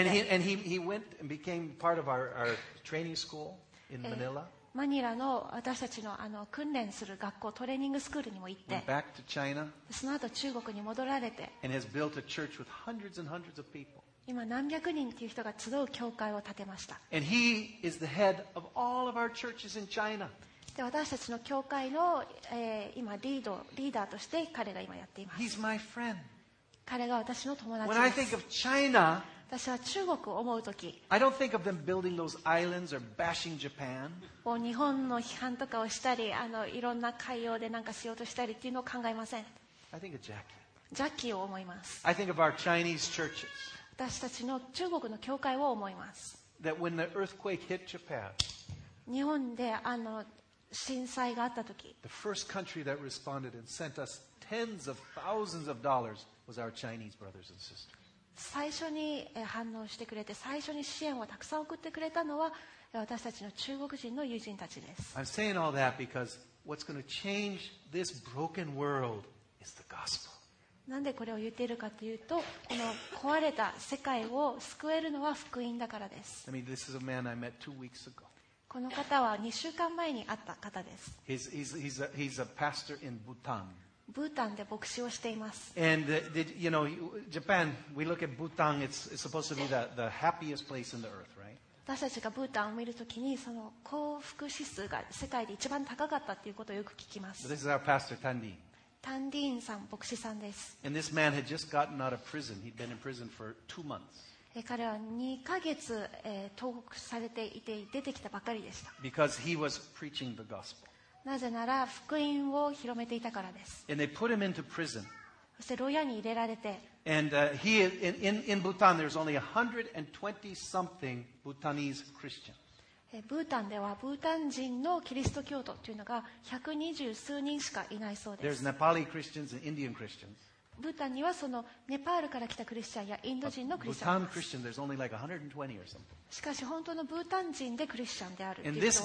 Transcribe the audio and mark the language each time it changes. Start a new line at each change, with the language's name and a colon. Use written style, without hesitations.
English: And he went and became part of our training school in Manila.
Japanese: マニラの私たち の訓練する学校、トレーニングスクールにも行って。
English: Went back to China.
Japanese: その後中国に戻られて。
English: And has built a church with hundreds and hundreds of people.
Japanese: 今何百人という人が集う教会を建てました。
English: And he is the head of all of our churches in China.
Japanese: で私たちの教会の、今リーダーとして彼が今やっています。
English: He's my friend.
Japanese: 彼が私の友達です。
English: When I think of China,
Japanese: 私は中国を思うとき、
English: I don't think of them building those islands or bashing Japan.
Japanese: 日本の批判とかをしたり、いろんな海洋で何かしようとしたりっていうのを考えません。
English: I think of Jackie.
Japanese: ジャッキーを思います。
English: I think of our Chinese churches.
Japanese: 私たちの中国の教会を思います。
English: that when the earthquake hit Japan,
Japanese: 日本であの震災があった時、
English: the first country that responded and sent us tens of thousands of dollars was our Chinese brothers and sisters.
Japanese: 最初に反応してくれて、最初に支援をたくさん送ってくれたのは私たちの中国人の友人たちです。
English: I'm saying all that because what's going to change this broken world is the gospel.
Japanese: なんでこれを言っているかというと、この壊れた世界を救えるのは福音だからです。
English: I mean, this is a man I met 2 weeks ago.
Japanese: この方は2週間前に会った方です。
English: He's a pastor in Bhutan.
Japanese: ブータンで牧師をしています。
English: And you know, Japan, we look at Bhutan. It's supposed to be the happiest place in the earth, right?
Japanese: 私たちがブータンを見るときに、その幸福指数が世界で一番高かったということをよく聞きます。
English: This is our pastor, Tandin.
Japanese: Tandin さん、牧師さんです。
English: And this man had just gotten out of prison. He'd been in prison for 2 months.
Japanese: 彼は2ヶ月、投獄されていて出てきたばかりでした。
English: Because he was preaching the gospel.
Japanese: なぜなら福音を広めていたからです。
English: And they put him into prison.
Japanese: そして牢屋に入れられて。
English: And he in Bhutan there's only 120 something Bhutanese Christians.
Japanese: ブータンではブータン人のキリスト教徒というのが120数人しかいないそうです。
English: There's Nepali Christians and Indian Christians.
Japanese: ブータンにはそのネパールから来たクリスチャンやインド人のクリスチャンがいます。
English: Bhutan Christian there's only like 120 or something.
Japanese: しかし本当のブータン人でクリスチャンであるという人